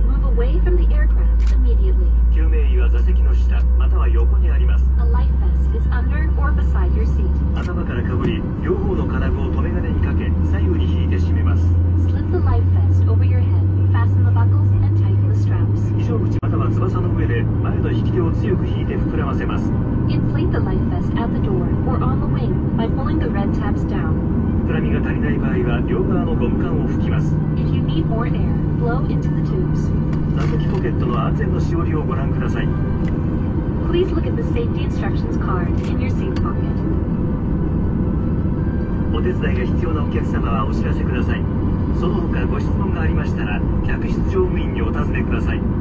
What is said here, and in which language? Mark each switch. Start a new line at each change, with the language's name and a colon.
English: Move away from the aircraft immediately.
Japanese: 救命衣は座席の下または横にあります。
English: A life vest is under or beside your seat.
Japanese: 頭からかぶり、両方の金具を留め金にかけ、左右に引いて締めます。
English: Slip the life vest over your head, fasten the buckles and tighten the straps.
Japanese: 非常口または翼の上で前の引き手を強く引いて膨らませます。
English: Inflate the life vest at the door or on the wing by pulling the red tabs down.
Japanese: 膨らみが足りない場合は両側のゴム管を拭きます。
English: If you need more air, blow into the tubes.
Japanese: 座席ポケットの安全のしおりをご覧ください。
English: Please look at the safety instructions card in your seat pocket.
Japanese: お手伝いが必要なお客様はお知らせください。その他ご質問がありましたら客室乗務員にお尋ねください。